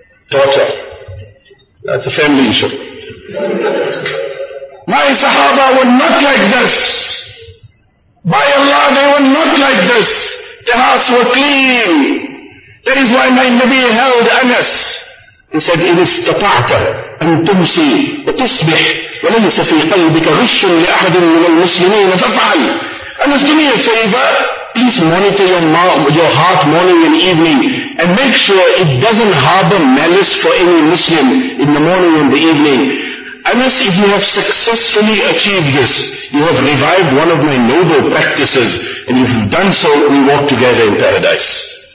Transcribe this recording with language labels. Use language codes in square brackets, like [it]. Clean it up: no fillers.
[en] Daughter. That's a family issue. My Sahaba were not like this. By Allah, they were not like this. Their hearts were clean. That is why my Nabi held Anas. He said, [ar] إِنِ اسْتَطَعْتَ أَن تُمْسِي وَتُصْبِحْ وَلَيْسَ فِي قَلْبِكَ غِشٌ لِأَحَدٍ مِنَ الْمُسْلِمِينَ فَفْعَلْ. [en] Anas, do me a favor. Please monitor your heart morning and evening and make sure it doesn't harbor malice for any Muslim in the morning and the evening. Anas, if you have successfully achieved this, you have revived one of my noble practices, and if you've done so, we walk together in paradise.